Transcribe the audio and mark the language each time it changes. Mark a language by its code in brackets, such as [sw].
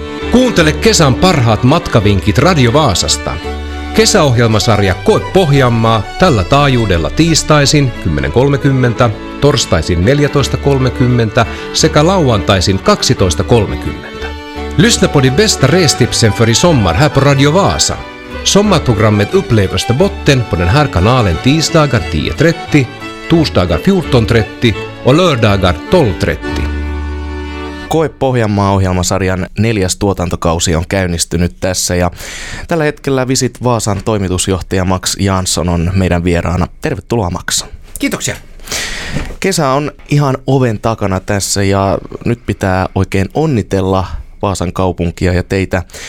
[fi] Kuuntele kesän parhaat matkavinkit Radio Vaasasta. Kesäohjelmasarja Koe Pohjanmaa tällä taajuudella tiistaisin 10.30, torstaisin 14.30 sekä lauantaisin 12.30. [sv] Lyssna på de bästa restipsen för i sommar här på Radio Vaasa. Sommarprogrammet upplevs på botten på den här kanalen tisdagar 10.30, torsdagar 14.30 och lördagar 12.30. [fi] Koe Pohjanmaa-ohjelmasarjan neljäs tuotantokausi on käynnistynyt tässä ja tällä hetkellä Visit Vaasan toimitusjohtaja Max Jansson on meidän vieraana. Tervetuloa Max. Kiitoksia. Kesä on ihan oven takana tässä ja nyt pitää oikein onnitella Vaasan kaupunkia ja teitä.